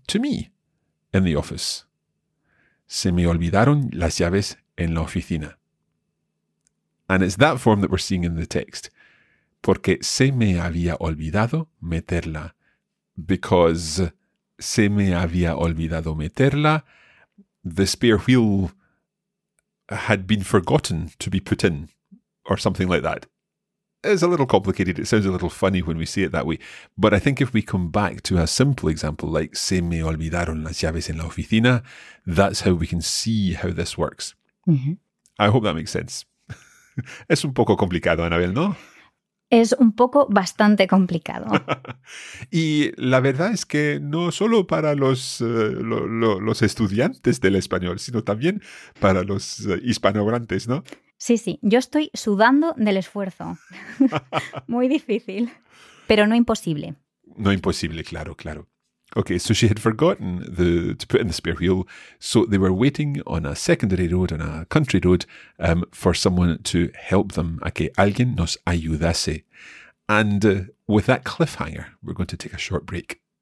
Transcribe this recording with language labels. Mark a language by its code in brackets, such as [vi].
[en] To me. In the office. [es] Se me olvidaron las llaves en la oficina. [en] And it's that form that we're seeing in the text. [es] Porque se me había olvidado meterla. Because se me había olvidado meterla. [en] The spare wheel had been forgotten to be put in. Or something like that. It's a little complicated. It sounds a little funny when we say it that way. But I think if we come back to a simple example, like se me olvidaron las llaves en la oficina, that's how we can see how this works. Mm-hmm. I hope that makes sense. [es] Es un poco complicado, Anabel, ¿no? Es un poco bastante complicado. Y la verdad es que no solo para los estudiantes del español, sino también para los hispanohablantes, ¿no? Sí, sí. Yo estoy sudando del esfuerzo. Muy difícil, pero no imposible. No imposible, claro, claro. [en] Okay, so she had forgotten to put in the spare wheel. So they were waiting on a secondary road, on a country road, for someone to help them, a que alguien nos ayudase. And with that cliffhanger, we're going to take a short break.